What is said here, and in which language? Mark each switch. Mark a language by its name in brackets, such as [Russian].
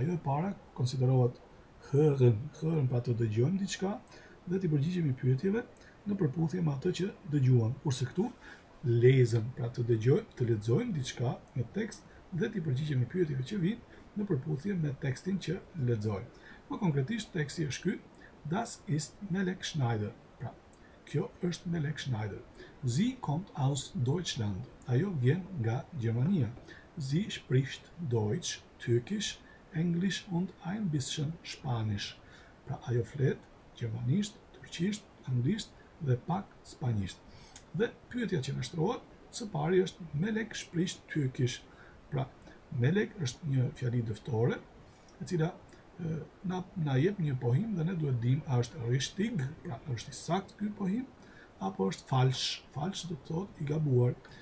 [Albanian] Ajo e para konsiderohet hërën, hërën pa të dëgjojmë diçka dhe të përgjigjemi pyetjeve në përputhje me atë që dëgjuan. Kurse këtu lezën, pra të dëgjojmë, të lexojmë diçka në tekst dhe të përgjigjemi pyetjeve që vijnë në përputhje me tekstin që lexojmë. Më konkretisht teksti është ky: [German] Das ist Melek Schneider. [Albanian] Pra, kjo është Melek Schneider. [German] Sie kommt aus Deutschland. [Albanian] Ajo vjen nga Gjermania. [German] Sie spricht Deutsch, Türkisch, Englisch und ein bisschen Spanisch. [Albanian] Pra, ajo flet gjermanisht, turqisht, anglisht dhe pak spanisht. Dhe pyetja që më shtrohet, së pari është [German] Melek spricht Türkisch. [Albanian] Pra, Melek është një fjali dëftore, e cila na jep një pohim dhe ne duhet dim a është rishtig, pra është i sakt ky pohim, apo është falsh, falsh do të thotë i gabuar.